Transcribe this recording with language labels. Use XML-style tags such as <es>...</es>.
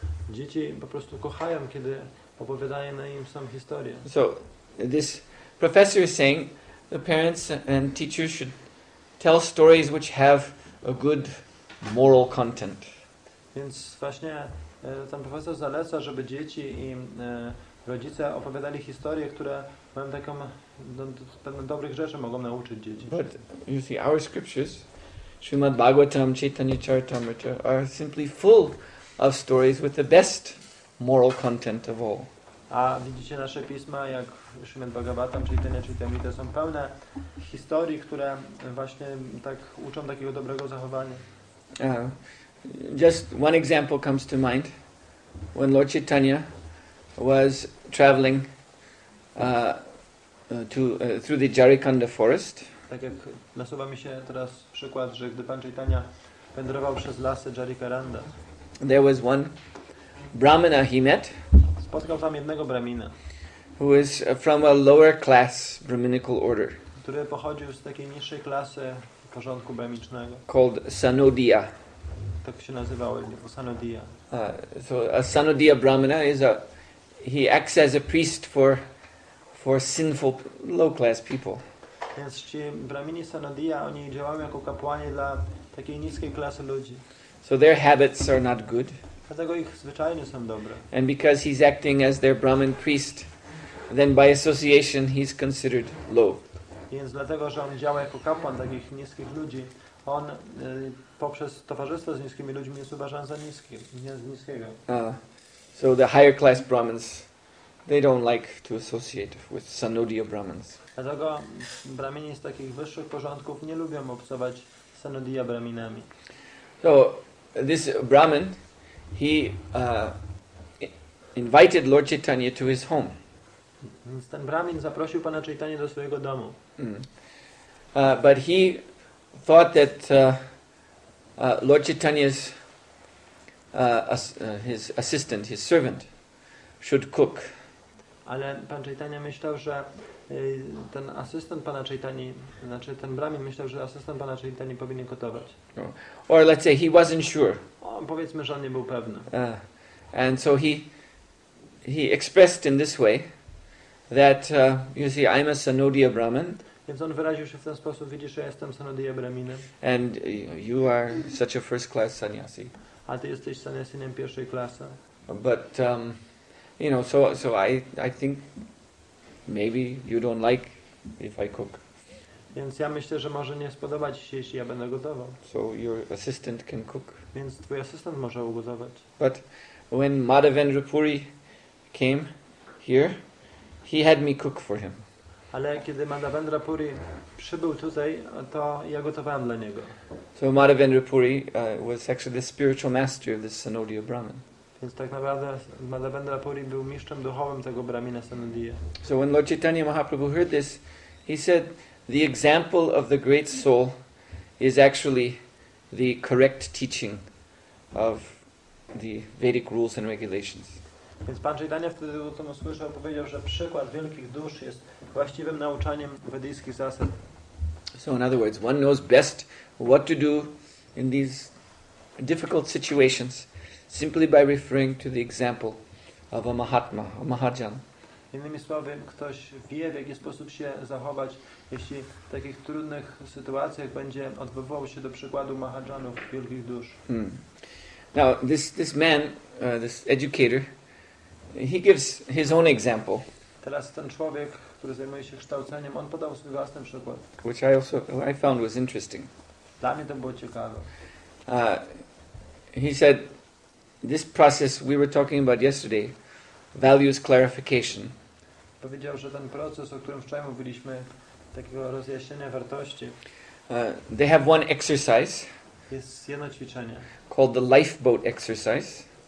<pl>Dzieci po prostu kochają, kiedy opowiadają na im sam historię.</pl> <en>So this professor is saying the parents and teachers should tell stories which have a good moral content.</en> <pl>Więc właśnie ten profesor zaleca, żeby dzieci i rodzice opowiadali historie, które mają taką dobrych rzeczy mogą nauczyć dzieci.</pl> <en>But you see, our scriptures, Srimad Bhagavatam, Chaitanya Charitamrita, are simply full of stories with the best moral content of all.</en> <pl>A widzicie nasze pisma, jak Srimad Bhagavatam, Chaitanya Charitamrita, są pełne historii, które właśnie tak uczą takiego dobrego zachowania.</pl> <en>Just one example comes to mind. When Lord Chaitanya was traveling through the Jarikanda forest.</en> <pl>Tak jak nasuwa mi się teraz przykład, że gdy pan Chaitanya wędrował przez lasy Jarikaranda.</pl> <en>There was one Brahmana he met.</en> <pl>Spotkał tam jednego Brahmina.</pl> <en>Who was from a lower class Brahminical order.</en> <pl>Który pochodził z takiej niższej klasy porządku brahmicznego.</pl> <en>Called Sanodiya.</en> <pl>Tak się nazywał, Sanodiya.</pl> <en>So a Sanodiya Brahmana is a, he acts as a priest for sinful low class people.</en> <pl>Więc ci Brahmini Sanodiya, oni działają jako kapłani dla takiej niskiej klasy ludzi.</pl> <en>So their habits are not good.</en> <pl>Dlatego ich zwyczaje nie są dobre.</pl> <en>And because he's acting as their Brahmin priest, then by association he's considered low.</en> <pl>Więc dlatego, że on działa jako kapłan takich niskich ludzi, on poprzez towarzystwo z niskimi ludźmi jest uważany za niskim, nie z niskiego.</pl> <en>So the higher class Brahmins, they don't like to associate with Sanodiya Brahmins.</en> <pl>Dlatego Brahmini z takich wyższych porządków nie lubią obcować z Sanodiya Brahminami.</pl> <en>So this Brahmin, he invited Lord Chaitanya to his home.</en> <pl>Więc ten Brahmin zaprosił pana Chaitanya do swojego domu.</pl> <en>But he thought that Lord Chaitanya's his assistant, his servant, should cook.</en> <pl>Ale pan Chaitanya myślał, że ten asystent pana Chaitanyi, znaczy ten Brahmin myślał, że asystent pana Chaitanyi powinien gotować.</pl> <en>Or let's say he wasn't sure.</en> <pl>O, powiedzmy, że on nie był pewny.</pl> <en>And so he expressed in this way that you see, I'm a Sanodiya Brahmin.</en> <pl>Więc on wyraził się w ten sposób, widzisz, że ja jestem Sanodiya Brahminem.</pl> <en>And you are such a first class sannyasi.</en> <pl>A ty jesteś sannyasinem pierwszej klasy.</pl> <en>But you know, so I think maybe you don't like if I cook.</en> <pl>Więc ja myślę, że może nie spodoba ci się, jeśli ja będę gotował.</pl> <en>So your assistant can cook.</en> <pl>Więc twój asystent może ugotować.</pl> <en>But when Madhavendra Puri came here, he had me cook for him.</en> <pl>Ale kiedy Madhavendra Puri przybył tutaj, to ja gotowałem dla niego.</pl> <en>So Madhavendra Puri was actually the spiritual master of this Sanodiya Brahmin.</en> <pl>Więc tak naprawdę Madhavendra Puri był mistrzem duchowym tego Brahmina Sanodiya.</pl> <en>So when Lord Chaitanya Mahaprabhu heard this, he said, the example of the great soul is actually the correct teaching of the Vedic rules and regulations.</en> <pl>Więc pan Chaitanya wtedy o tym usłyszał, powiedział, że przykład wielkich dusz jest właściwym nauczaniem wedyjskich zasad.</pl> <en>So in other words, one knows best what to do in these difficult situations simply by referring to the example of a mahatma, a mahajan.</en> <pl>Innymi słowy, ktoś wie, w jaki sposób się zachować, jeśli w takich trudnych sytuacjach będzie odwoływał się do przykładu mahajanów, wielkich dusz. Hmm.</pl> <en>Now, this man, this educator, he gives his own example.</en> <pl>Teraz ten człowiek, który zajmuje się kształceniem, on podał swój własny przykład.</pl> <en>Which I found was interesting.</en> <pl>Dla mnie to było ciekawe.</pl> <en>He said, this process we were talking about yesterday, values clarification.</en> <pl>Powiedział, że ten proces, o którym wczoraj mówiliśmy, takiego rozjaśnienia wartości.</pl> <en>They have one exercise.</en> <pl>Jest jedno ćwiczenie.</pl> <en>Called the lifeboat exercise.</en>